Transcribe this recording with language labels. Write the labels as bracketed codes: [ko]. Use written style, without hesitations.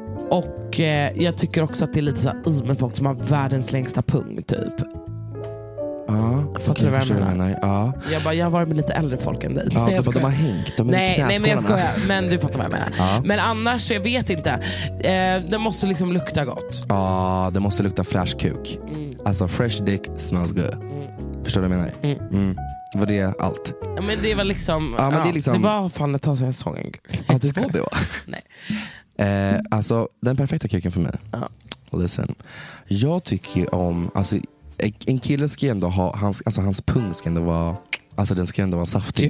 [sv] Och jag tycker också att det är lite så här med folk som har världens längsta pung typ. Ja, fattar okay, du vad jag menar? Ja. Jag har varit med lite äldre folk än dig. Ja, de har hängt. De är nej, men jag skojar. Men du fattar vad jag menar. Ja. Men annars, jag vet inte. Det måste liksom lukta gott. Ja, det måste lukta fresh kuk. Alltså, [en] fresh dick smells good. [sv] Förstår du vad jag menar? Var det allt? Ja, men det var liksom... Ja, men det är liksom... Det var fan att ta sig en sång en gång. Ja, det var det. Nej. Alltså, den perfekta kuken för mig. Ja. [en] Listen. [sv] Jag tycker ju om... Alltså, en kille ska ändå ha hans pung ska ändå vara, alltså den ska ändå vara saftig.